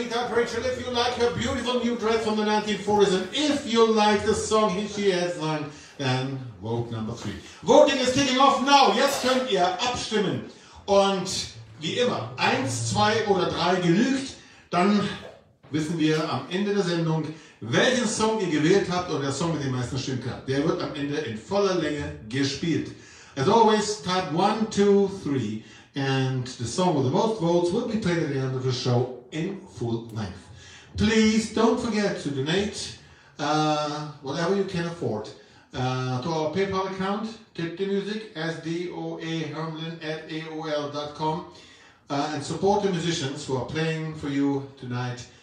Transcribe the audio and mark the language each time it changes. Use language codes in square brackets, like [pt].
[en] Rachel, if you like her beautiful new dress from the 1940s, and if you like the song she has sung, then vote number 3. Voting is kicking off now. [de] Jetzt könnt ihr abstimmen. Und wie immer, 1, 2 oder 3 genügt, dann wissen wir am Ende der Sendung, welchen Song ihr gewählt habt oder der Song mit den meisten Stimmen hat. Der wird am Ende in voller Länge gespielt. [en] As always, type 1, 2, 3, and the song with the most votes will be played at the end of the show in full length. Please don't forget to donate whatever you can afford to our PayPal account, tipthemusic@aol.com, and support the musicians who are playing for you tonight.